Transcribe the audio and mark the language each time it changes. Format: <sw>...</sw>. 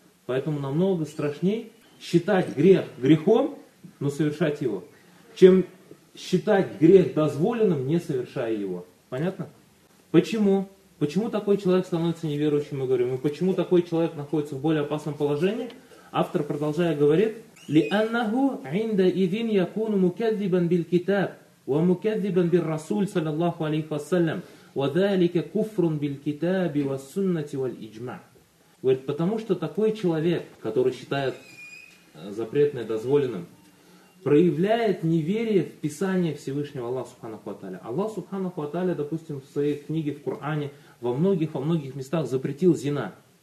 <ru>Поэтому намного страшнее считать грех грехом, но совершать его, чем считать грех дозволенным, не совершая его. Понятно? Почему? Почему такой человек становится неверующим, мы говорим? И почему такой человек находится в более опасном положении? Автор, продолжая, говорит:</ru> <ar>لِأَنَّهُ عِنْدَ إِذِنْ يَكُونُ مُكَذِّبًا بِالْكِتَابِ وَمُكَذِّبًا بِالرَّسُولِ صَلَى اللَّهُ عَلَيْهِ وَسَلَّمُ وَذَلِكَ كُفْرٌ بِالْكِتَابِ وَالسُنَّةِ وَالْإِجْمَعِ.</ar> <ru>Говорит, потому что такой человек, который считает запретное дозволенным, проявляет неверие в Писание Всевышнего Аллаха Субханаху ва Тааля. Аллах Субханаху ва Тааля, допустим, в своей книге, в Коране, во многих местах запретил зина.</ru>